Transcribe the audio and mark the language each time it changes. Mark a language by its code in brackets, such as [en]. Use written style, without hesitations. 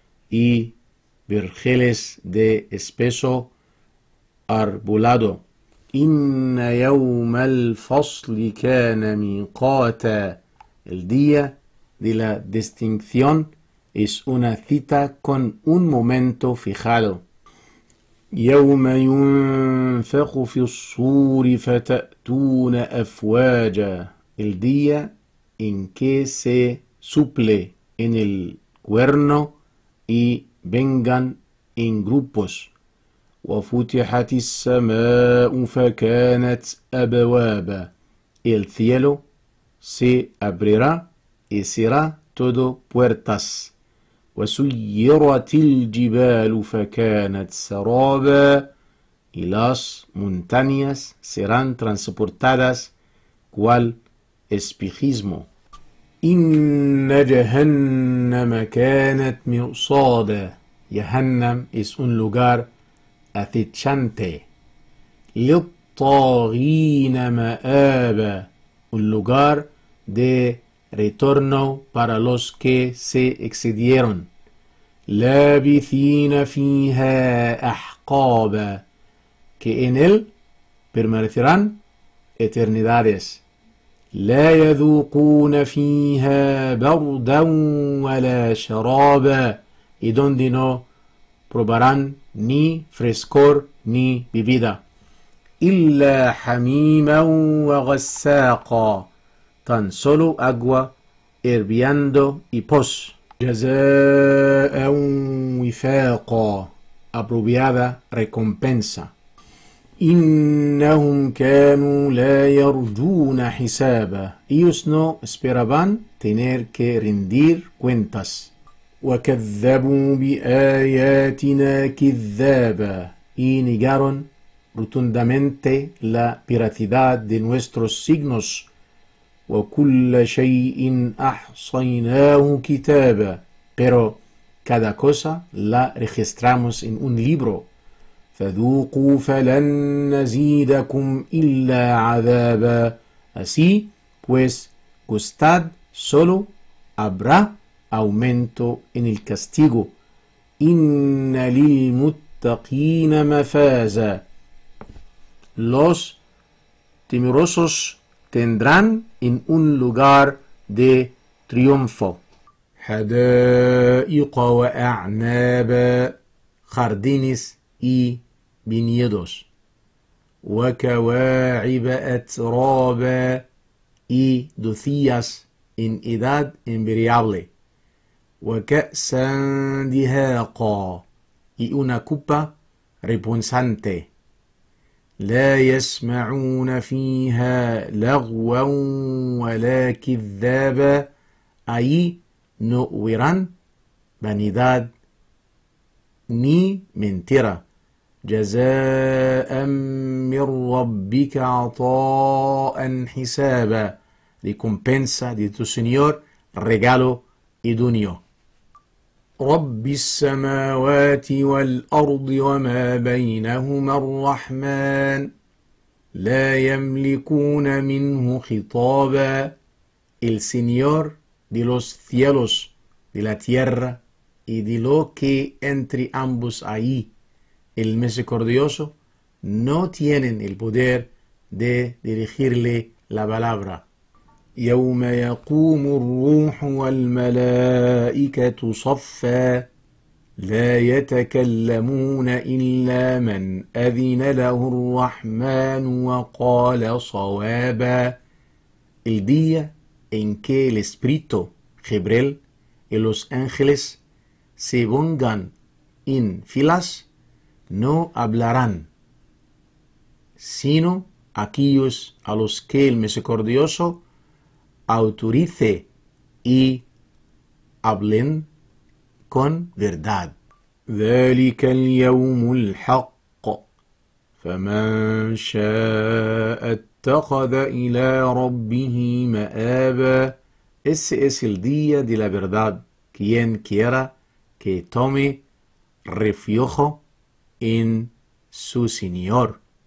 [es] Y verjeles de espeso arbolado. [ar] إِنَّ يَوْمَ الْفَصْلِ كَانَ مِيقَاتًا. [es] El día de la distinción es una cita con un momento fijado. [ar] يوم ينفخ في الصور فتأتون أفواجا. [es] El día en que se suple en el cuerno y vengan en grupos. [ar] وفتحت السماء فكانت أبوابا. [es] El cielo se abrirá y será todo puertas. [ar] وسيرت الجبال فكانت سرابا. [es] Y las montañas serán transportadas cual espejismo. [ar] إن جهنم كانت مرصادا. [es] Jehannam es un lugar acechante. [ar] للطاغين مآبا. [es] Un lugar de retorno para los que se excedieron. [ar] لابثين فيها أحقابا. [es] Que en él permanecerán eternidades. [ar] لا يذوقون فيها بردا ولا شرابا. [es] Y donde no probarán ni frescor ni bebida. [ar] إلا حميما وغساقا. [es] Tan solo agua hirviendo y pus. [ar] جزاء وفاقا. [es] Apropiada recompensa. [ar] إنهم كانوا لا يرجون حسابا. [es] Ellos no esperaban tener que rendir cuentas. [ar] وكذبوا بآياتنا كذابا. [es] Y negaron rotundamente la veracidad de nuestros signos. [ar] وكل شيء أحصيناه كتابا. [es] Pero cada cosa la registramos en un libro. [ar] فذوقوا فلن نزيدكم إلا عذابا. [es] Así pues, gustad, solo habrá aumento en el castigo. [ar] إن للمتقين مفازا. [es] Los temerosos tendrán en un lugar de triunfo. [ar] حدائق وأعنابا. [es] Jardines y viñedos. [ar] وكواعب أترابا. [es] Y docillas en edad invariable. [ar] وكأسا دهاقا. [es] Y una copa rebosante. [ar] لا يسمعون فيها لغوا ولا كذابا. [es] Ahí no oirán vanidad ni mentira. [ar] جزاء من ربك عطاء حسابا. [es] Recompensa de tu Señor, regalo idóneo. [ar] رب السماوات والأرض وما بينهما الرحمن لا يملكون منه خطابا. [es] El Señor de los cielos, de la tierra y de lo que entre ambos ahí, el misericordioso, no tienen el poder de dirigirle la palabra. [ar] يوم يقوم الروح والملائكة صفا لا يتكلمون إلا من أذن له الرحمن وقال صوابا. [es] El día en que el espíritu Jibril y los ángeles se pongan en filas, no hablarán, sino aquellos a los que el misericordioso autorice y hablen con verdad. [ar] ذلك اليوم الحق فمن شاء اتخذ إلى ربه مآبا. [es] Ese es el día de la verdad. Quien quiera que tome refugio en su Señor.